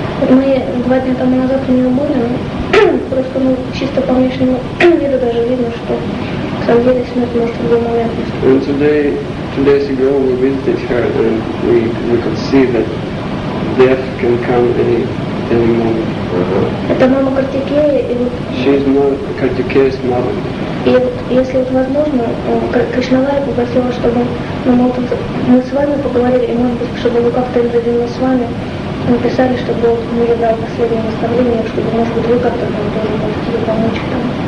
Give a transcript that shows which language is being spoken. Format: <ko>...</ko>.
<ru>Мы 2 дня назад у нее были, просто чисто по внешнему виду даже видно, что в самом деле смерть может быть маловероятность.</ru> <en>And two days ago we visited her and we could see that death can come any moment.</en> <ru>Это мама Картикея и вот.</ru> <en>She's more Картикея's mother.</en> <ru>И вот, если это возможно, Кришнавара попросила, чтобы мы с вами поговорили, и может быть, чтобы вы как-то интервью с вами написали, чтобы мы ей дали последнее наставление, чтобы, может быть, вы как-то там тоже можете ей помочь там.</ru>